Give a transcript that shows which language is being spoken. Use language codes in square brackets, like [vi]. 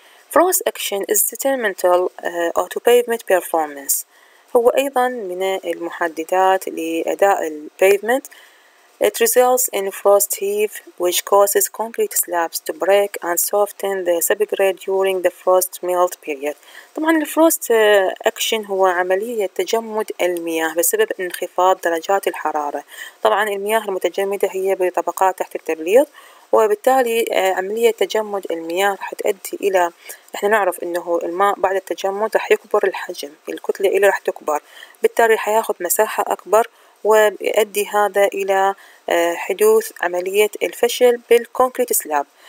[en] frost action is detrimental to pavement performance, [ar] هو ايضا من المحددات لاداء البيفمنت. [en] It results in frost heave which causes concrete slabs to break and soften the subgrade during the frost melt period. [ar] طبعا الفروست اكشن هو عملية تجمد المياه بسبب انخفاض درجات الحرارة. طبعا المياه المتجمدة هي بطبقات تحت التبليط، وبالتالي عملية تجمد المياه راح تؤدي الى، احنا نعرف انه الماء بعد التجمد راح يكبر الحجم، الكتلة الى راح تكبر، بالتالي حياخذ مساحة اكبر، ويؤدي هذا إلى حدوث عملية الفشل بالكونكريت سلاب.